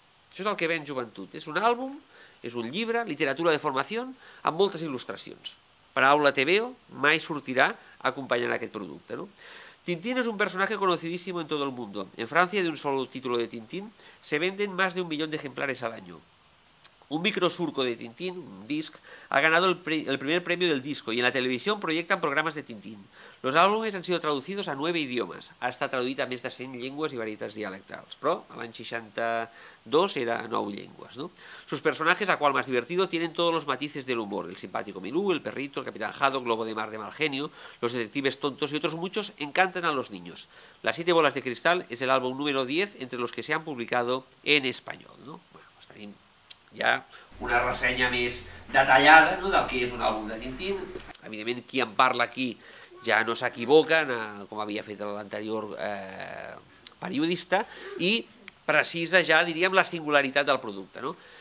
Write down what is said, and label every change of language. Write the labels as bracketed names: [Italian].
[Catalan] Això és el que ve en Joventut. És un àlbum, és un llibre, literatura de formació, amb moltes il·lustracions. Paraula TVO mai sortirà acompanyant aquest producte, no? [Spanish] Tintín es un personaje conocidísimo en todo el mundo. En Francia, de un solo título de Tintín, se venden más de 1 millón de ejemplares al año. Un microsurco de Tintín, un disc, ha ganado el primer premio del disco y en la televisión proyectan programas de Tintín. Los álbumes han sido traducidos a 9 idiomas. [Catalan] Ha estat traduït a més de 100 llengües i varietats dialectals, però l'any 62 era 9 llengües. ¿No? [Spanish] Sus personajes, a qual más divertido, tienen todos los matices del humor. El simpático Milú, el perrito, el capitán Haddock, globo de mar de mal genio, los detectives tontos y otros muchos encantan a los niños. Las Siete Bolas de Cristal es el álbum número 10 entre los que se han publicado en español. [Catalan] ¿No? Bueno, pues tenim ja una ressenya més detallada, ¿no?, del que és un àlbum de Tintín. Evidentment, qui en parla aquí ja no s'equivoca, com havia fet l'anterior periodista, i precisa ja, diríem, la singularitat del producte. No?